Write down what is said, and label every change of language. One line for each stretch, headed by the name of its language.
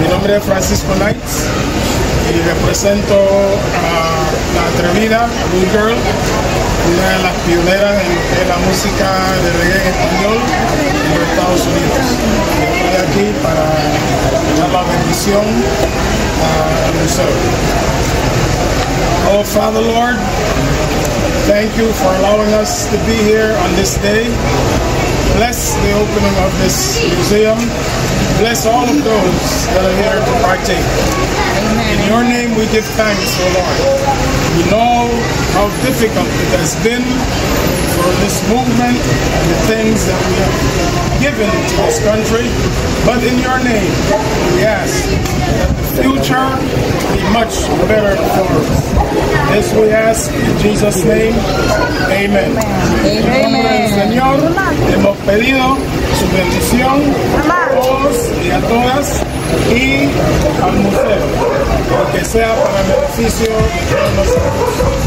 Spanish: Mi nombre es Francisco Knight y represento a La Atrevida, Blue Girl, una de las pioneras de la música de reggae en español en los Estados Unidos. Estoy aquí para dar la bendición al museo.
English: Oh, Father Lord, thank you for allowing us to be here on this day. Bless the opening of this museum. Bless all of those that are here to partake. In your name we give thanks, O Lord. We know how difficult it has been for this movement and the things that we have given to this country. But in your name, we ask that the future be much better for us. This we ask in Jesus' name. Amen. Amen. Amen.
Spanish: Señor, hemos pedido su bendición a todos y a todas y al museo, porque sea para el beneficio de todos nosotros.